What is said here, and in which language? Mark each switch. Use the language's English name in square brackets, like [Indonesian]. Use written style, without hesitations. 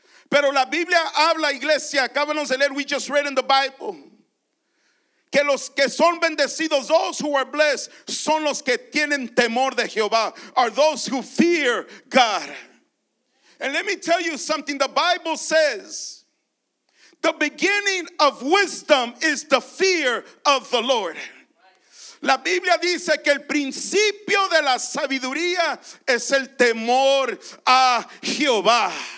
[Spanish] Pero la Biblia habla, iglesia. Acabamos de leer. [English] We just read in the Bible. [Spanish] Que los que son bendecidos, [English] those who are blessed, [Spanish] son los que tienen temor de Jehová, [English] are those who fear God. And let me tell you something, the Bible says, the beginning of wisdom is the fear of the Lord. [Spanish] La Biblia dice que el principio de la sabiduría es el temor a Jehová.